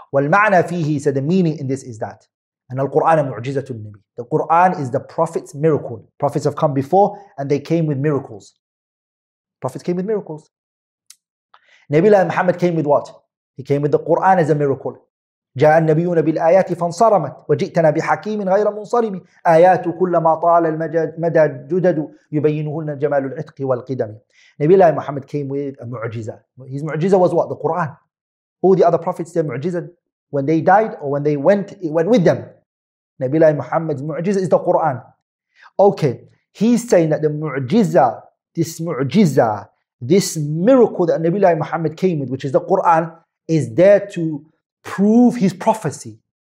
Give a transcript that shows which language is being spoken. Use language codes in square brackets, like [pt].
[ar] والمعنى فيه, [en] he said, the meaning in this is that [ar] أن القرآن معجزة النبي. [en] The Quran is the Prophet's miracle. Prophets have come before and they came with miracles. Prophets came with miracles. Nabiullah Muhammad came with what? He came with the Quran as a miracle. [ar] جاء النبيون بالآيات فانصرمت وجئتنا بحكيم غير منصرم آيات كلما طال المدى جدد يبينهن جمال العتق والقدم. [en] Nabiullah Muhammad came with a mu'jiza. His mu'jiza was what? The Quran. All the other prophets, their mu'jiza, when they died or when they went, it went with them. Nabiullah Muhammad's mu'jiza is the Quran. Okay, he's saying that the mu'jiza, this mu'jiza, this miracle that Nabiullah Muhammad came with, which is the Quran, is there to prove his prophecy.